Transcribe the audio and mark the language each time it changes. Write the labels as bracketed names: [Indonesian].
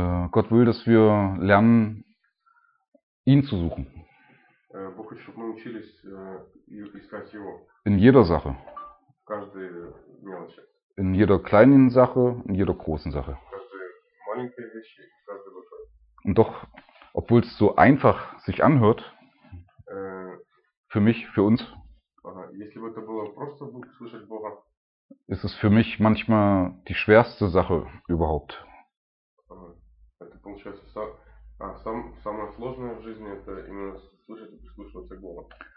[German] Gott will, dass wir lernen, ihn zu suchen. [Russian] Бог хочет, чтобы мы учились искать Его. [German] In jeder Sache. [Russian] В каждой мелочи. [German] In jeder kleinen Sache, in jeder großen Sache. [Russian] В каждой маленькой вещи, в каждой большой. [German] Und doch, obwohl es so einfach sich anhört, für mich, für uns, [Russian] если бы это было просто слышать Бога, [German] ist es für mich manchmal die schwerste Sache überhaupt. [Russian] Это получается самое сложное в жизни, это именно слышать и прислушиваться к Богу.